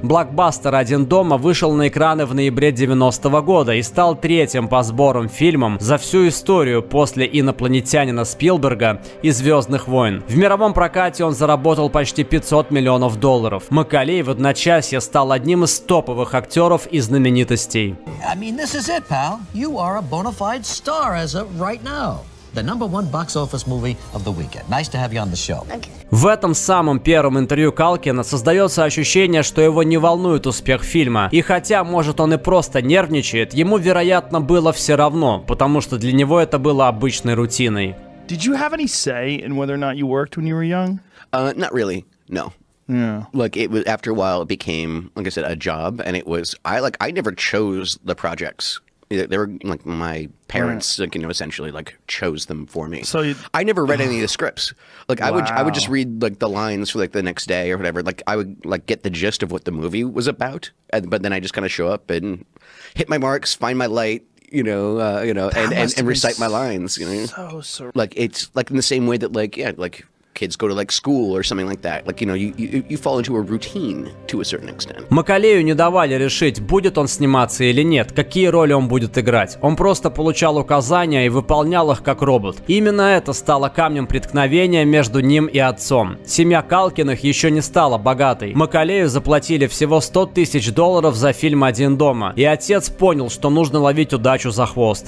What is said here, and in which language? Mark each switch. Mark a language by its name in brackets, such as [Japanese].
[Russian] Блокбастер «Один дома» вышел на экраны в ноябре 90-го года и стал третьим по сборам фильмом за всю историю после «Инопланетянина» Спилберга и «Звездных войн». В мировом прокате он заработал почти 500 миллионов долларов. Макалей в одночасье стал одним из топовых актеров и знаменитостей. [English] I mean, this is it, pal. You are a bona fide star as of right now. The number one box office movie of the weekend. Nice to have you on the show. Okay. [Russian] В этом самом первом интервью Калкина создается ощущение, что его не волнует успех фильма. И хотя, может, он и просто нервничает, ему, вероятно, было все равно, потому что для него это было обычной рутиной. [English] Did you have any say in whether or not you worked when you were young? Not really, no. Yeah. Like it was after a while, it became, like I said, a job, and it was I never chose the projects. They were like my parents, right. Like, you know, essentially like chose them for me. So I never read any of the scripts. Like wow. I would just read like the lines for like the next day or whatever. Like I would like get the gist of what the movie was about, but then I just kind of show up and hit my marks, find my light. You know, and recite my lines. You know, so like it's like in the same way that like yeah, like kids go to like school or something like that. Like you know, you fall into a routine to a certain extent. [Russian] Макалею не давали решить, будет он сниматься или нет, какие роли он будет играть. Он просто получал указания и выполнял их как робот. И именно это стало камнем преткновения между ним и отцом. Семья Калкиных еще не стала богатой. Макалею заплатили всего 100 тысяч долларов за фильм «Один дома», и отец понял, что нужно ловить удачу за хвост.